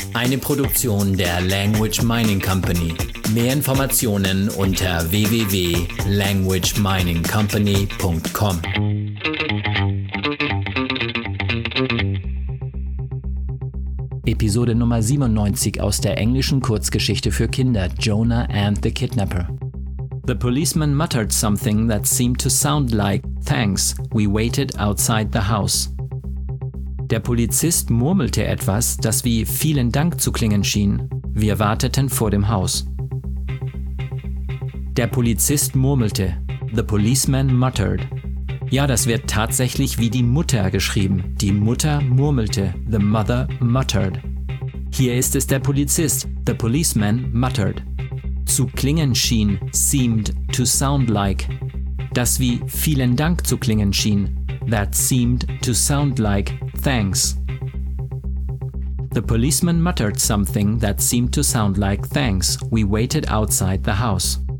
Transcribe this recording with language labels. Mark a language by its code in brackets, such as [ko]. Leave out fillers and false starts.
[de] Eine Produktion der Language Mining Company. Mehr Informationen unter www.languageminingcompany.com. Episode Nummer 97 aus der englischen Kurzgeschichte für Kinder, Jonah and the Kidnapper. [en] The policeman muttered something that seemed to sound like, "Thanks, we waited outside the house." [de] Der Polizist murmelte etwas, das wie "Vielen Dank" zu klingen schien. Wir warteten vor dem Haus. Der Polizist murmelte. [en] The policeman muttered. [de] Ja, das wird tatsächlich wie die Mutter geschrieben. Die Mutter murmelte. [en] The mother muttered. [de] Hier ist es der Polizist. [en] The policeman muttered. [de] Zu klingen schien, [en] seemed to sound like. [de] Das wie vielen Dank zu klingen schien. [en] That seemed to sound like thanks. The policeman muttered something that seemed to sound like thanks. We waited outside the house.